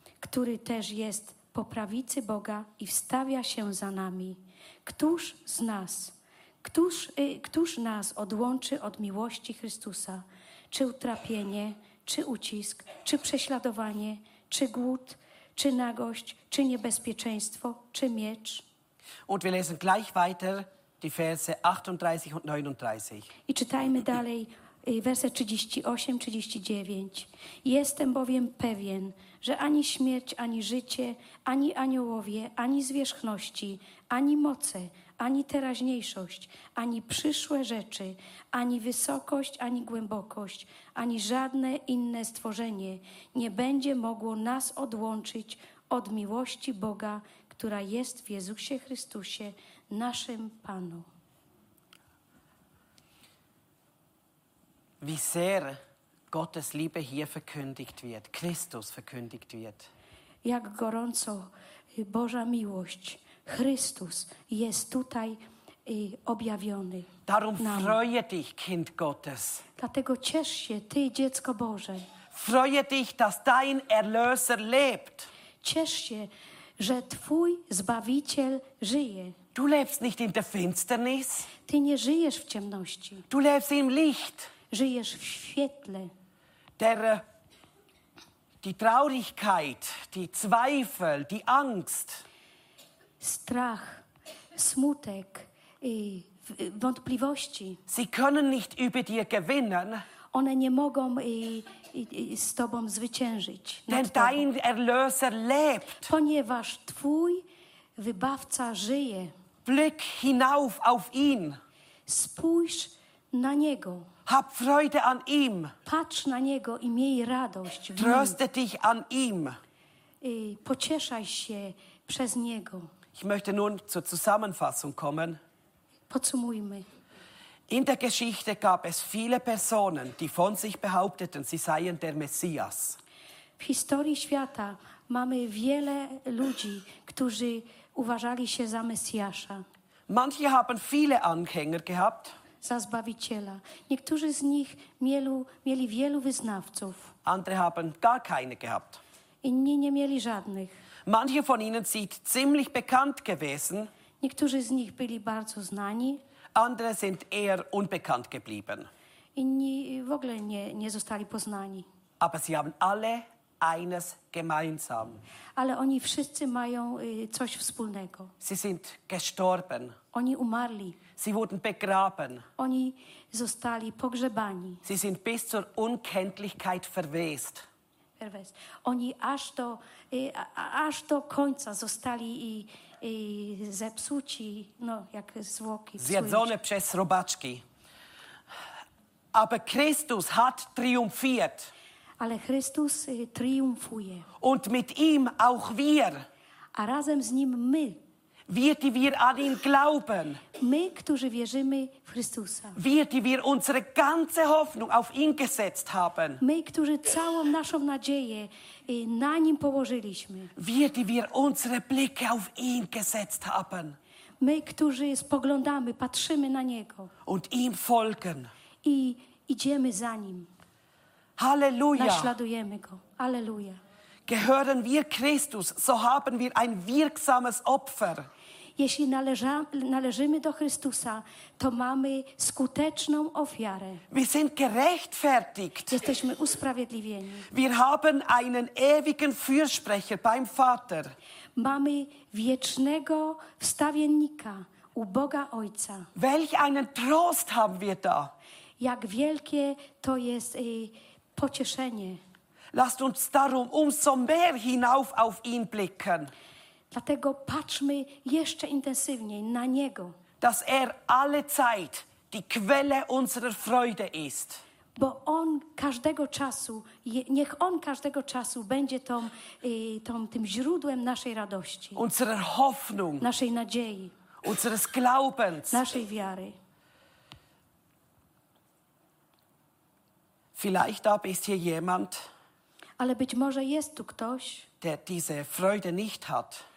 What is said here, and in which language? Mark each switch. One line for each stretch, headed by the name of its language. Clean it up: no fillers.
Polish: Który też jest po prawicy Boga i wstawia się za nami. Któż z nas? Któż nas odłączy od miłości Chrystusa? Czy utrapienie, czy ucisk, czy prześladowanie, czy głód, czy nagość, czy niebezpieczeństwo, czy miecz.
German: Und wir lesen gleich weiter die Verse 38 und 39.
Polish: I czytajmy dalej wersy 38-39. Jestem bowiem pewien, że ani śmierć, ani życie, ani aniołowie, ani zwierzchności, ani moce, ani teraźniejszość, ani przyszłe rzeczy, ani wysokość, ani głębokość, ani żadne inne stworzenie nie będzie mogło nas odłączyć od miłości Boga, która jest w Jezusie Chrystusie, naszym Panu.
German: Wie sehr Gottes Liebe hier verkündigt wird, Christus verkündigt wird.
Polish: Jak gorąco Boża miłość, Chrystus jest tutaj objawiony.
German: Darum freue dich, Kind Gottes.
Polish: Dlatego ciesz się, ty dziecko Boże.
German: Freue dich, dass dein Erlöser lebt.
Polish: Ciesz się, że twój Zbawiciel żyje.
German: Du lebst nicht in der Finsternis.
Polish: Ty nie żyjesz w ciemności.
German: Du lebst im Licht.
Polish: Żyjesz w świetle.
German: Die Traurigkeit, die Zweifel, die Angst.
Polish: Strach, smutek, wątpliwości.
German: Sie können nicht über dir gewinnen.
Polish: One nie mogą z tobą zwyciężyć.
German: Denn dein Erlöser lebt.
Polish: Ponieważ twój Wybawca żyje.
German: Blick hinauf auf ihn.
Polish: Spójrz na niego.
German: Hab Freude an ihm.
Polish: Patrz na niego i miej radość.
German: Tröste dich an ihm.
Polish: Pocieszaj się przez niego.
German: Ich möchte nun zur Zusammenfassung kommen.
Polish: Podsumujmy.
German: In der Geschichte gab es viele Personen, die von sich behaupteten, sie seien der Messias.
Polish: W historii świata mamy wiele ludzi, którzy uważali się za Mesjasza.
German: Manche haben viele Anhänger gehabt.
Polish: Za Zbawiciela. Niektórzy z nich mieli wielu wyznawców.
German: Andere haben gar keine gehabt.
Polish: Inni nie mieli żadnych.
German: Manche von ihnen sind ziemlich bekannt gewesen.
Polish: Niektórzy z nich byli bardzo znani.
German: Andere sind eher unbekannt geblieben.
Polish: Inni w ogóle nie zostali poznani.
German: Aber sie haben alle eines gemeinsam.
Polish: Ale oni wszyscy mają coś wspólnego.
German: Sie sind gestorben.
Polish: Oni umarli.
German: Sie wurden begraben.
Polish: Oni zostali pogrzebani.
German: Sie sind bis zur Unkenntlichkeit verwest.
Polish: Oni aż do końca zostali zepsuci, no jak zwłoki. Zjedzone przez robaczki.
German: Aber Christus hat triumphiert.
Polish: Ale Chrystus triumfuje.
German: Und mit ihm auch wir.
Polish: A razem z nim my.
German: Wir, die wir an ihn glauben.
Polish: My, którzy wierzymy w Chrystusa.
German: Wir, die wir unsere ganze Hoffnung auf ihn gesetzt haben.
Polish: My, którzy całą naszą nadzieję na nim położyliśmy.
German: Wir, die wir unsere Blicke auf ihn gesetzt haben.
Polish: My, którzy spoglądamy, patrzymy na niego.
German: Und ihm folgen.
Polish: I idziemy za nim.
German: Halleluja.
Polish: Naśladujemy go. Halleluja.
German: Gehören wir Christus, so haben wir ein wirksames Opfer.
Polish: Jeśli należymy do Chrystusa, to mamy skuteczną ofiarę.
German: Wir sind gerechtfertigt.
Polish: Jesteśmy usprawiedliwieni.
German: Wir haben einen ewigen Fürsprecher beim Vater.
Polish: Mamy wiecznego wstawiennika u Boga Ojca.
German: Welch einen Trost haben wir da.
Polish: Jak wielkie to jest pocieszenie.
German: Lasst uns darum umso mehr hinauf auf ihn blicken.
Polish: Dlatego patrzmy jeszcze intensywniej na niego.
German: Dass alle Zeit die Quelle unserer Freude ist.
Polish: Bo on każdego czasu, niech on każdego czasu będzie tym źródłem naszej radości.
German: Unserer Hoffnung.
Polish: Naszej nadziei.
German: Unseres Glaubens.
Polish: Naszej wiary.
German: Vielleicht aber ist hier jemand,
Polish: ale być może jest tu ktoś,
German: der diese Freude nicht hat,